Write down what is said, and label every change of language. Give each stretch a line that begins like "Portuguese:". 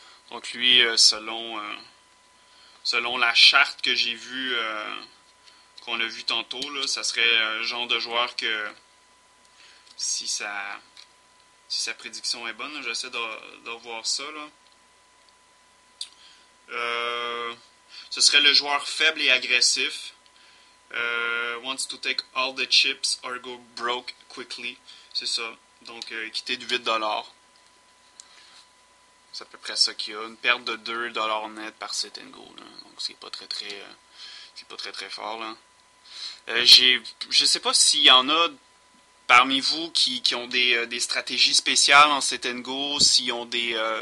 French: Donc lui, selon la charte que j'ai vue, qu'on a vue tantôt, là, ça serait un genre de joueur que, si sa prédiction est bonne, j'essaie de revoir ça, là. Ce serait le joueur faible et agressif.
English: Wants to take all the chips or go broke quickly.
French: C'est ça. Donc, quitter du 8$. C'est à peu près ça qu'il y a. Une perte de 2$ net par Sit and Go, là. Donc, c'est pas très très fort, là. Je sais pas s'il y en a parmi vous qui ont des stratégies spéciales en Sit and Go, s'ils ont des.